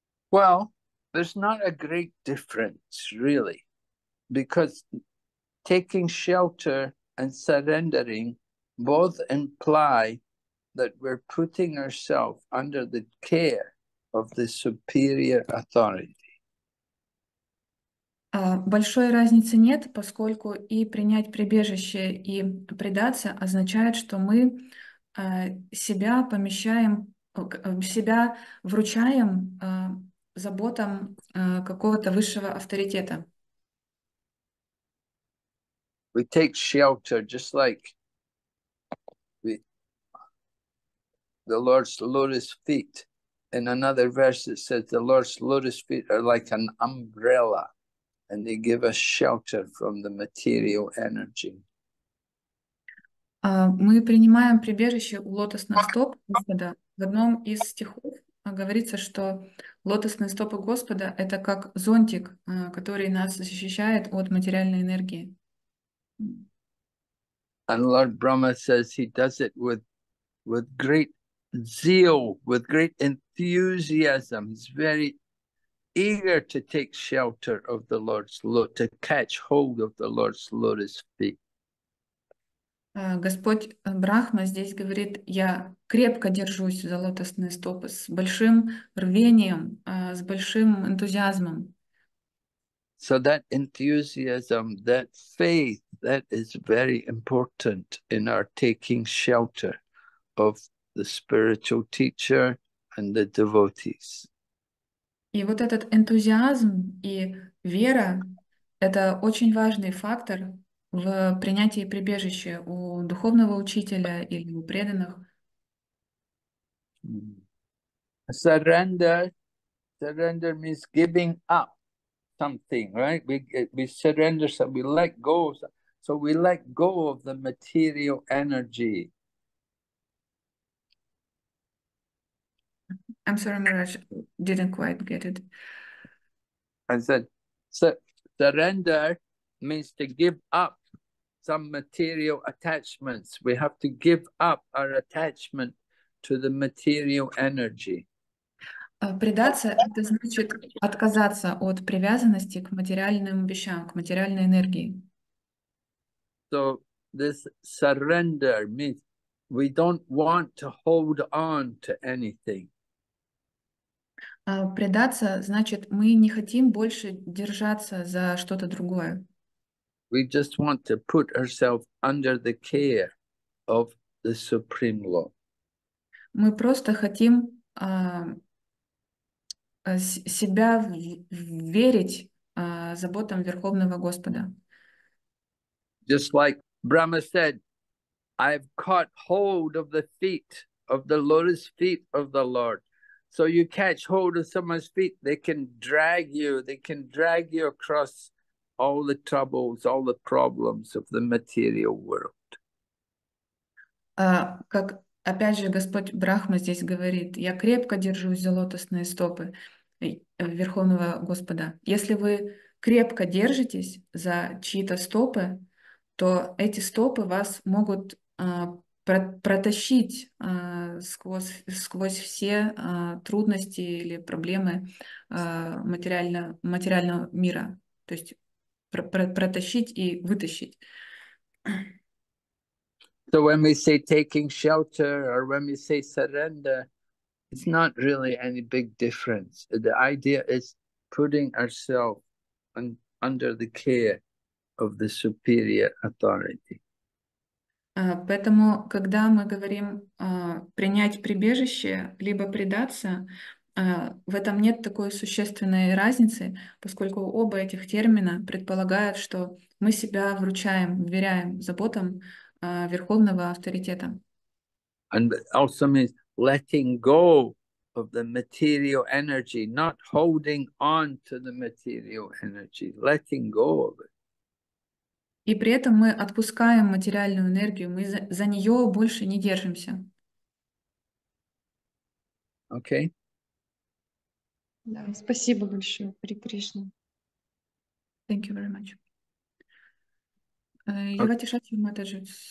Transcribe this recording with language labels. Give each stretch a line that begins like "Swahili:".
English: Well, there's not a great difference, really. Because taking shelter and surrendering both imply that we're putting ourselves under the care of the superior authority.
Russian: Большой разницы нет, поскольку и принять прибежище, и предаться означает, что мы себя помещаем, себя вручаем заботам какого-то высшего авторитета.
English: We take shelter just like the Lord's lotus feet. In another verse, it says the Lord's lotus feet are like an umbrella and they give us shelter from the material energy.
Russian: Мы принимаем прибежище у лотосных стоп Господа. В одном из стихов говорится, что лотосные стопы Господа — это как зонтик, который нас защищает от материальной энергии.
English: And Lord Brahma says he does it with great zeal, with great enthusiasm. He's very eager to take shelter of the Lord's lotus, to catch hold of the Lord's lotus feet.
Russian: Господь Брахма здесь говорит: я крепко держусь за лотосные стопы с большим рвением, с большим энтузиазмом.
English: So that enthusiasm, that faith, that is very important in our taking shelter of the spiritual teacher and the devotees.
Russian: И вот этот энтузиазм и вера — это очень важный фактор в принятии прибежища у духовного учителя или у преданных.
English: Surrender means giving up something, right? We surrender, so we let go. So we let go of the material energy. I'm sorry, Maharaj, didn't quite get it. I said, surrender means to give up some material attachments. We have to give up our attachment to the material energy.
Russian: Предаться — это значит отказаться от привязанности к материальным вещам, к материальной энергии.
English: So this surrender means we don't want to hold on to anything.
Russian: Предаться — значит, мы не хотим больше держаться за что-то другое.
English: We just want to put ourselves under the care of the Supreme Lord.
Russian: Мы просто хотим себя верить заботам Верховного Господа.
English: Just like Brahma said, I've caught hold of the feet of the lotus feet of the Lord. So you catch hold of someone's feet, they can drag you across all the troubles, all the problems of the material world.
Russian: Как опять же Господь Брахма здесь говорит, я крепко держусь за лотосные стопы Верховного Господа. Если вы крепко держитесь за чьи-то стопы, то эти стопы вас могут протащить сквозь все трудности или проблемы материального мира. То есть протащить и вытащить.
English: So when we say taking shelter or when we say surrender, it's not really any big difference. The idea is putting ourselves under the care of the superior authority.
Russian: Поэтому, когда мы говорим принять прибежище, либо предаться, в этом нет такой существенной разницы, поскольку оба этих термина предполагают, что мы себя вручаем, вверяем заботам верховного авторитета.
English: And also means letting go of the material energy, not holding on to the material energy, letting go of it.
Russian: И при этом мы отпускаем материальную энергию, мы за нее больше не держимся.
English: Okay.
Russian: Да, спасибо большое, Хари Кришна.
English: Thank you very much. Okay.